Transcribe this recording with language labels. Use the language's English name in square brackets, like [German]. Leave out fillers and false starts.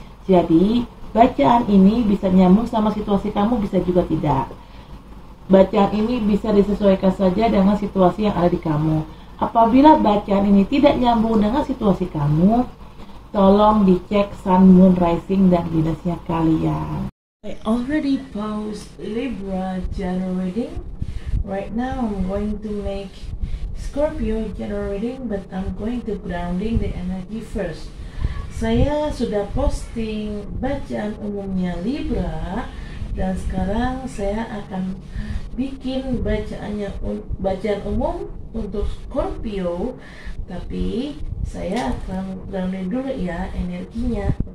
[Indonesian] Jadi, bacaan ini bisa nyambung sama situasi kamu, bisa juga tidak. Bacaan ini bisa disesuaikan saja dengan situasi yang ada di kamu. Apabila bacaan ini tidak nyambung dengan situasi kamu, tolong dicek sun, moon, rising, dan Venus-nya kalian. [English] I already post Libra general reading. Right now I'm going to make Scorpio general reading, but I'm going to grounding the energy first. [Indonesian] Saya sudah posting bacaan umumnya Libra dan sekarang saya akan bikin bacaan umum untuk Scorpio, tapi saya akan grounding dulu ya energinya.